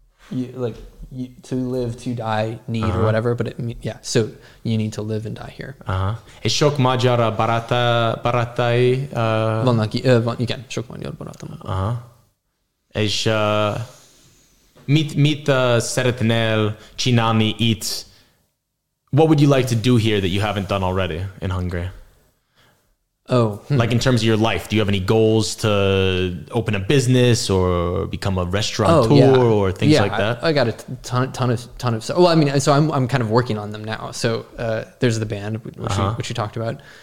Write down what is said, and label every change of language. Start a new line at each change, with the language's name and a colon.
English: You to live, to die, need or whatever, but so you need to live and die here.
Hungarian: És sok magyar barátai vannak, igen, sok magyar barátom. És mit szeretnél csinálni itt?
English: What would you like to do here that you haven't done already in Hungary? Oh. Like in terms of your life, do you have any goals to open a business or become a restaurateur or things like that? I got a ton of stuff. Well, I mean, so I'm kind of working on them now. So there's the band, which you talked about.